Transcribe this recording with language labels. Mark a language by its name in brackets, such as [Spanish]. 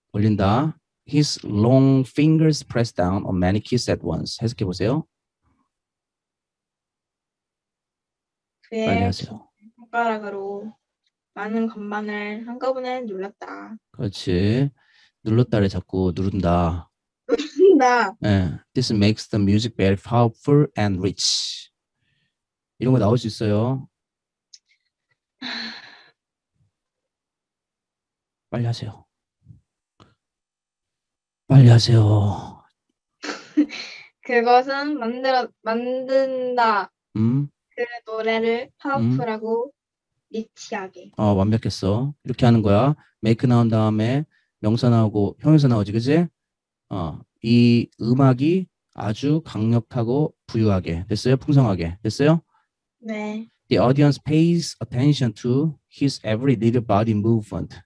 [Korean] 올린다. [English] His long fingers press down on many keys at once. [Korean] 해석해 보세요. 빨리 하세요. 손가락으로 많은 건반을 한꺼번에 눌렀다. 그렇지. 눌렀다를 자꾸 누른다. 누른다. 네. [English] This makes the music very powerful and rich. [Korean] 이런 거 나올 수 있어요. 빨리 하세요. 빨리 하세요. 그것은 만든다. 그 노래를 파워풀하고 리치하게. 완벽했어. 이렇게 하는 거야. 메이크 나온 다음에 명사 나오고 형용사 나오지, 그지? 이 음악이 아주 강력하고 부유하게 됐어요? 풍성하게 됐어요? 네. [English] The audience pays attention to his every little body movement.